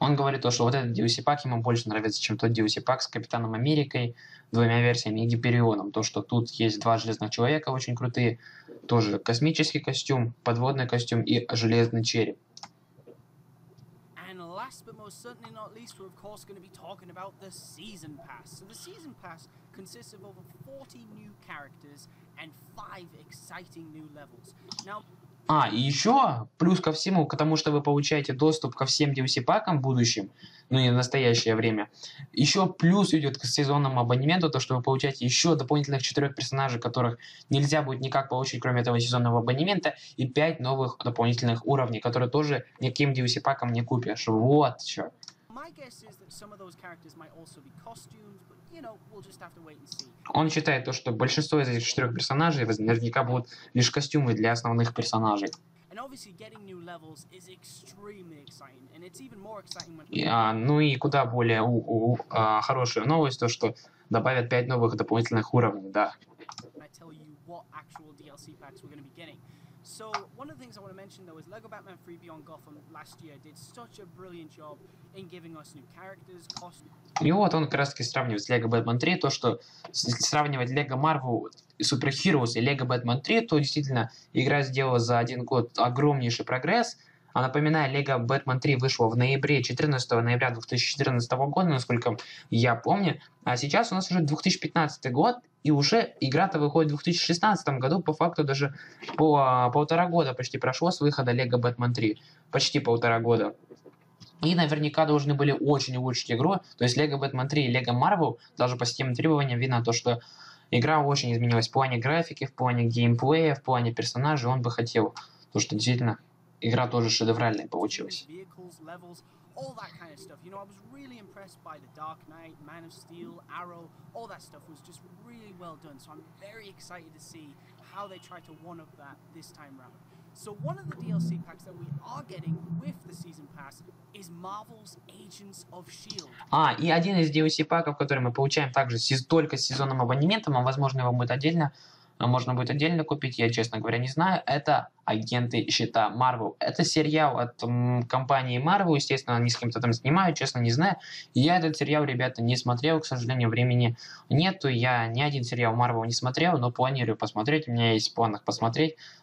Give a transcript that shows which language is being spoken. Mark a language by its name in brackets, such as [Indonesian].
[Russian] Он говорит то, что вот этот DLC пак ему больше нравится, чем тот DLC пак с Капитаном Америкой, двумя версиями и Гиперионом. То, что тут есть два железных человека очень крутые, тоже космический костюм, подводный костюм и железный череп. [English] Last but most certainly not least, we're of course going to be talking about the Season Pass. So the Season Pass consists of over 40 new characters and 5 exciting new levels. Now... [Russian] А, и еще, плюс ко всему, к тому, что вы получаете доступ ко всем DLC-пакам в будущем, ну и в настоящее время, еще плюс идет к сезонному абонементу, то, что вы получаете еще дополнительных 4 персонажей, которых нельзя будет никак получить, кроме этого сезонного абонемента, и 5 новых дополнительных уровней, которые тоже никаким DLC-пакам не купишь. Вот что. [English] My guess is that some of those characters might also be costumes, but, you know, we'll just have to wait and see. [Russian] Он считает то, что большинство из этих 4 персонажей наверняка будут лишь костюмы для основных персонажей. [English] And obviously getting new levels is extremely exciting, and it's even more exciting when... [Russian] Ну и куда более хорошая новость, то, что добавят 5 новых дополнительных уровней, да. [English] I tell you what actual DLC packs we're going to be getting. So, one of the things I want to mention, though, is LEGO Batman 3 Beyond Gotham last year did such a brilliant job in giving us new characters, costumes... [Russian] И вот он как раз-таки сравнивает с LEGO Batman 3, то, что сравнивать LEGO Marvel Super Heroes и LEGO Batman 3, то действительно, игра сделала за один год огромнейший прогресс. А напоминаю, LEGO Batman 3 вышло в ноябре, 14 ноября 2014 года, насколько я помню. А сейчас у нас уже 2015 год. И уже игра-то выходит в 2016 году, по факту даже по полтора года почти прошло с выхода LEGO Batman 3. Почти полтора года. И наверняка должны были очень улучшить игру. То есть LEGO Batman 3 и LEGO Marvel, даже по системным требованиям, видно то, что игра очень изменилась в плане графики, в плане геймплея, в плане персонажей. Он бы хотел, то что действительно игра тоже шедевральная получилась. [English] All that kind of stuff. You know, I was really impressed by The Dark Knight, Man of Steel, Arrow. All that stuff was just really well done. So I'm very excited to see how they try to one-up that this time around. So one of the DLC packs that we are getting with the Season Pass is Marvel's Agents of S.H.I.E.L.D. [Russian] А, и один из DLC-паков, который мы получаем также только с сезонным абонементом, а возможно его будет отдельно, можно будет отдельно купить, я, честно говоря, не знаю, это «Агенты Щита» Marvel. Это сериал от компании Marvel, естественно, они с кем-то там снимают, честно, не знаю. Я этот сериал, ребята, не смотрел, к сожалению, времени нету, я ни один сериал Marvel не смотрел, но планирую посмотреть, у меня есть в планах посмотреть.